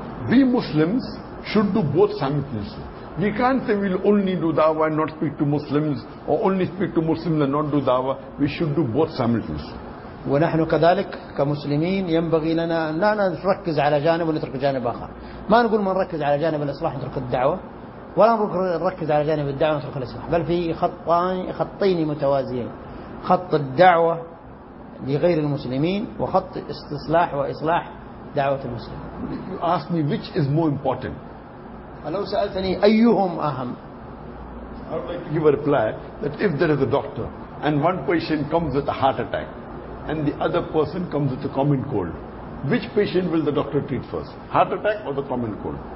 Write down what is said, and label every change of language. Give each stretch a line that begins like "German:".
English: We Muslims should do both simultaneously. We can't say we'll only do dawah and not speak to Muslims, or only speak to Muslims and not do dawah. We should do both simultaneously.
Arabic: ونحن كذلك كمسلمين ينبغي لنا أن لا نركز على جانب ونترك جانب آخر. ما نقول من نركز على جانب الإصلاح نترك الدعوة، ولا نركز على جانب الدعوة نترك الإصلاح، بل في خطين متوازيين، خط الدعوة لغير المسلمين وخط استصلاح وإصلاح دعوة المسلمين.
English: You ask me which is more important.
Arabic: فلو سألتني أيهم أهم؟
English: I would like to give a reply that if there is a doctor and one patient comes with a heart attack and the other person comes with a common cold, which patient will the doctor treat first, heart attack or the common cold?